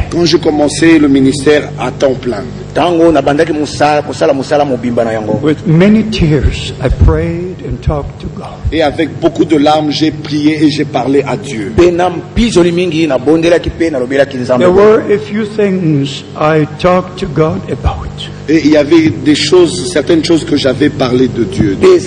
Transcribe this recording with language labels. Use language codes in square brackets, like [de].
[fr] quand j'ai commencé le ministère à temps plein, [en] with many tears, I prayed and talked to God. [fr] Et avec beaucoup de larmes, j'ai prié et j'ai parlé à Dieu. [en] There were a few things I talked to God about. [fr] Et il y avait des choses, certaines choses que j'avais parlé de Dieu.